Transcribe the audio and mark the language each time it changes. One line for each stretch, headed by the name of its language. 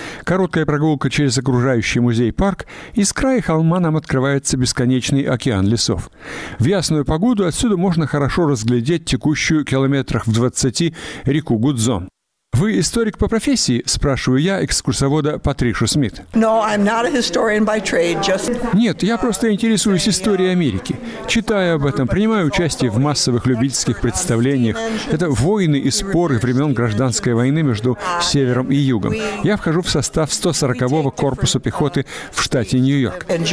Russian: Короткая прогулка через окружающий музей-парк, и с края холма нам открывается бесконечный океан лесов. В ясную погоду отсюда можно хорошо разглядеть текущую километрах в 20 реку Гудзон. Вы историк по профессии? Спрашиваю я экскурсовода Патришу Смит.
English: No, I'm not a historian by trade, just...
Russian: Нет, я просто интересуюсь историей Америки. Читаю об этом, принимаю участие в массовых любительских представлениях. Это войны и споры времен гражданской войны между Севером и Югом. Я вхожу в состав 140-го корпуса пехоты в штате Нью-Йорк.